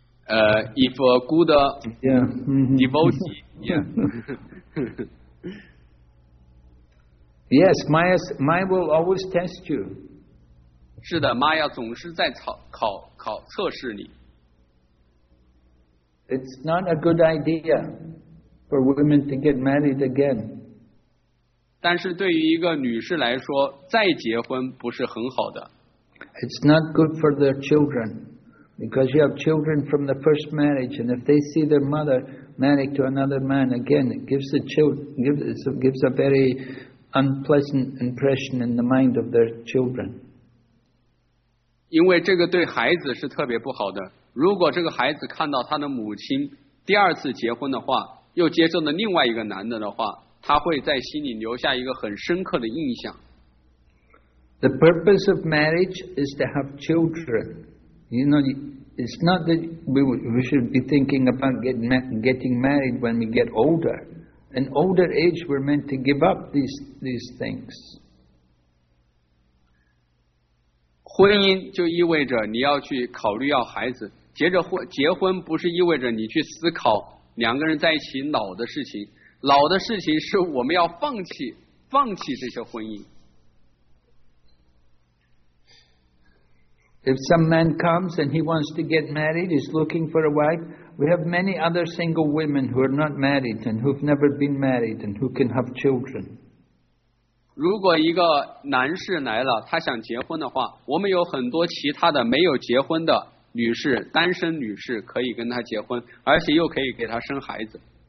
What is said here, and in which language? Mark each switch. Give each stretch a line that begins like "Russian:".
English: If a good devotee, yes, Maya will always test you.
Chinese: 是的，玛雅总是在考测试你。
English: It's not a good idea for women to get married again.
Chinese: 但是对于一个女士来说，再结婚不是很好的。
English: It's not good for their children. Because you have children from the first marriage, and if they see their mother married to another man again, it gives a very unpleasant impression in the mind of their children.
Chinese: 因为这个对孩子是特别不好的。如果这个孩子看到他的母亲第二次结婚的话，又接受了另外一个男的话，他会在心里留下一个很深刻的印象。
English: The purpose of marriage is to have children. You know, it's not that we should be thinking about getting married when we get older. In older age, we're meant to give up these things.
Chinese: 婚姻就意味着你要去考虑要孩子。结婚不是意味着你去思考两个人在一起老的事情。老的事情是我们要放弃这些婚姻。
English: If some man comes and he wants to get married, he's looking for a wife, we have many other single women who are not married and who've never been married and who can have children.
Chinese: 如果一个男士来了，他想结婚的话，我们有很多其他的没有结婚的女士，单身女士可以跟他结婚，而且又可以给他生孩子。